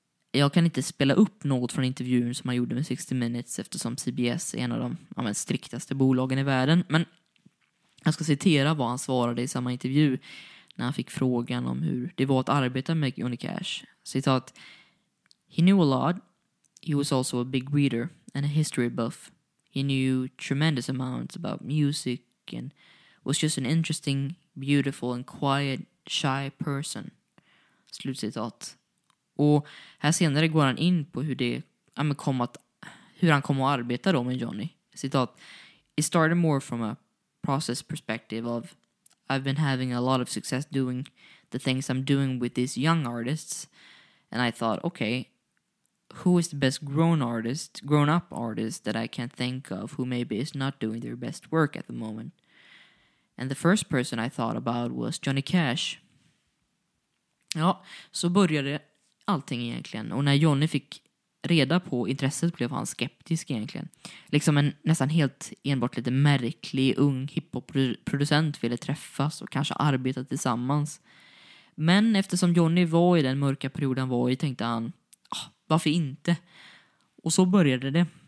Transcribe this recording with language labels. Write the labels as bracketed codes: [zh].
[sv] Jag kan inte spela upp något från intervjun som han gjorde med 60 Minutes eftersom CBS är en av de, ja, men, striktaste bolagen i världen. Men jag ska citera vad han svarade i samma intervju. När han fick frågan om hur det var att arbeta med Johnny Cash. [en] Citat. He knew a lot. He was also a big reader and a history buff. He knew tremendous amounts about music and was just an interesting, beautiful and quiet, shy person. [sv] Slutcitat. Och här senare går han in på hur det, ja, men kom att, hur han kom att arbeta då med Johnny. Citat. [en] It started more from a process perspective of I've been having a lot of success doing the things I'm doing with these young artists. And I thought, okay, who is the best grown up artist that I can think of who maybe is not doing their best work at the moment? And the first person I thought about was Johnny Cash. [sv] Ja, så började allting egentligen. Och när Johnny fick reda på intresset blev han skeptisk egentligen. Liksom en nästan helt enbart lite märklig ung hiphopproducent ville träffas och kanske arbeta tillsammans. Men eftersom Johnny var i den mörka perioden var i tänkte han, varför inte? Och så började det.